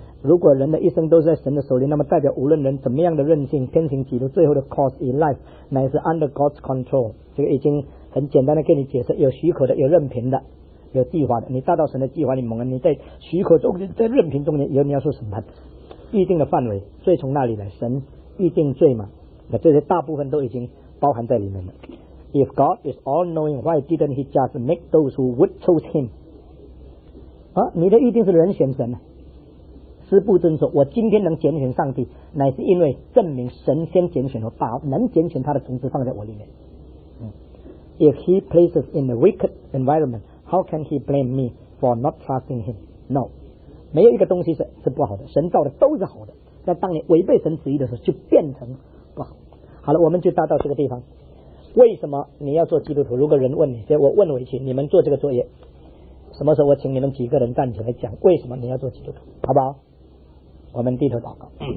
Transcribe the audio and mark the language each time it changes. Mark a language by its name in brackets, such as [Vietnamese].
[Chinese] 如果人的一生都是在神的手里，那么代表无论人怎么样的任性天行其路，最后的 cause in life 乃是 under God's control。这个已经很简单的给你解释，有许可的，有任凭的，有计划的。你达到神的计划，你蒙恩，你在许可中间，在任凭中间，以后你要受审判。预定的范围，罪从那里来？神预定罪嘛，那这些大部分都已经包含在里面了。 [English] If God is all knowing, why didn't he just make those who would choose him？ [Chinese] 啊，你的预定是人选神，师父尊说，我今天能拣选上帝，乃是因为证明神先拣选我，把能拣选他的种子放在我里面。 [English] If he places in a wicked environment, how can he blame me for not trusting him? No. [Chinese] 没有一个东西 是不好的，神造的都是好的，但当你违背神旨意的时候就变成不好。好了，我们就搭到这个地方。为什么你要做基督徒？如果人问你，所以我问回去，你们做这个作业，什么时候我请你们几个人站起来讲为什么你要做基督徒，好不好？我们低头祷告。